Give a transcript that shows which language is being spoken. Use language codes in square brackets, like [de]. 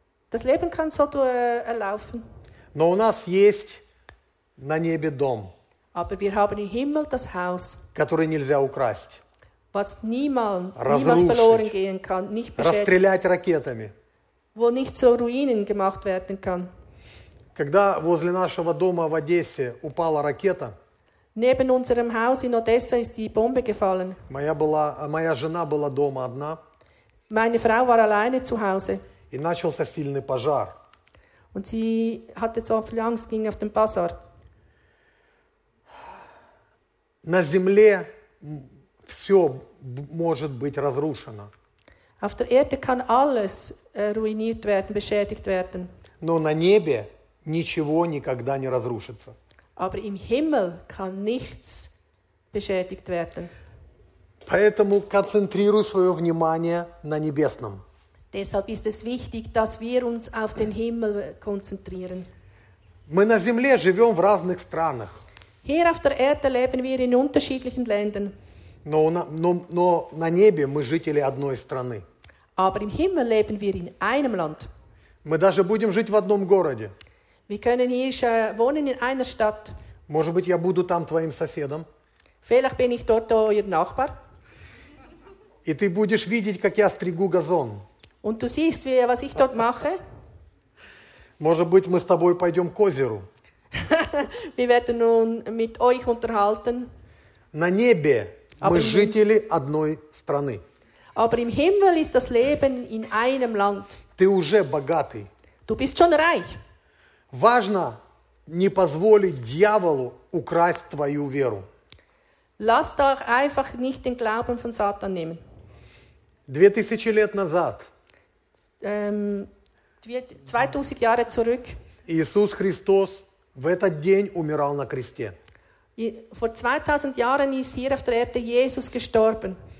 [de] Das Leben kann so erlaufen. [ru] Но у нас есть на небе дом. [de] Aber wir haben im Himmel das Haus, [ru] который нельзя украсть. [de] Was niemals, [ru] разрушить, [de] verloren gehen kann, nicht beschädigen, [ru] расстрелять ракетами. [de] Wo nicht zu Ruinen gemacht werden kann. [ru] Когда возле нашего дома в Одессе упала ракета, [de] neben unserem Haus in Odessa ist die Bombe gefallen. [ru] Моя жена была дома одна. [de] Meine Frau war alleine zu Hause. [ru] И начался сильный пожар. [de] Und sie hatte so viel Angst, ging auf den Basar. [ru] На земле все может быть разрушено. [de] Auf der Erde kann alles ruiniert werden, beschädigt werden. [ru] Но на небе ничего никогда не разрушится. [de] Aber im Himmel kann nichts beschädigt werden. [ru] Поэтому концентрируй свое внимание на небесном. [de] Deshalb ist es wichtig, dass wir uns auf den Himmel konzentrieren. [ru] Мы на земле живем в разных странах. [de] Hier auf der Erde leben wir in unterschiedlichen Ländern. [ru] Но на небе мы жители одной страны. [de] Aber im Himmel leben wir in einem Land. [ru] Мы даже будем жить в одном городе. [de] Wir können hier schon wohnen in einer Stadt. [ru] Может быть, я буду там твоим соседом. [de] Vielleicht bin ich dort euer Nachbar. [ru] И ты будешь видеть, как я стригу газон. [de] Und du siehst, wie, was ich dort mache. [ru] Может быть, мы с тобой пойдем к озеру. [de] Wir werden uns mit euch unterhalten. [ru] На небе мы жители одной страны. [de] Aber im Himmel ist das Leben in einem Land. [ru] Ты уже богатый. [de] Du bist schon reich. [ru] Важно не позволить дьяволу украсть твою веру. [de] Lass doch einfach nicht den Glauben von Satan nehmen. [ru] 2000 лет назад. [de] 2000 Jahre zurück. [ru] Иисус Христос в этот день умирал на кресте. [de] Vor 2000 Jahren ist hier auf der Erde Jesus gestorben.